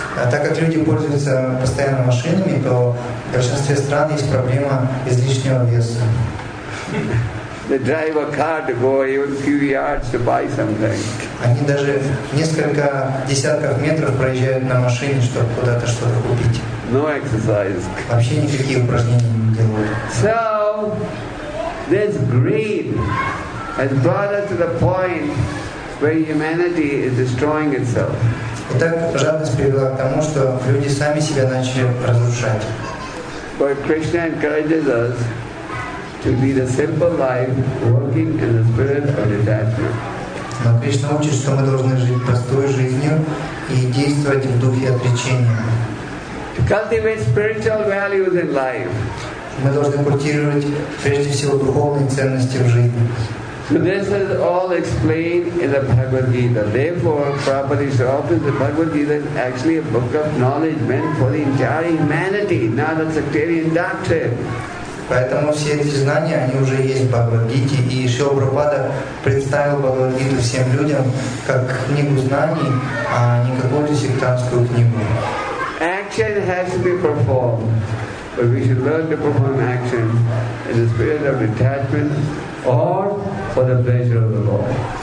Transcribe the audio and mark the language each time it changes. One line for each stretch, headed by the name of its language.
Russian: Так как люди пользуются постоянно машинами, то в большинстве стран есть проблема излишнего веса.
English: They drive a car to go even few yards to buy something.
Russian: Они даже несколько десятков метров проезжают на машине, чтобы куда-то что-то купить.
English: No exercise.
Russian: Вообще никакие упражнения не делают.
English: So this greed has brought us to the point where humanity is destroying itself.
Russian: Итак, жадность привела к тому, что люди сами себя начали разрушать.
English: But Krishna encourages us to lead a simple life, working in the spirit of detachment.
Russian: Но Кришна учит, что мы должны жить простой жизнью и действовать в духе отречения.
English: cultivate spiritual values in life.
Russian: Мы должны культивировать прежде всего духовные ценности в жизни.
English: So this is all explained in the Bhagavad Gita. Therefore, Prabhupada so often the Bhagavad Gita is actually a book of knowledge meant for the entire humanity, not a sectarian doctrine.
Russian: Поэтому все эти знания, они уже есть в Бхагавад-гите, и Шрила Прабхупада представил Бхагавад-гиту всем людям как книгу знаний, а не какую-то сектантскую книгу.
English: Action has to be performed, but we should learn to perform action in the spirit of detachment or for the pleasure of the Lord.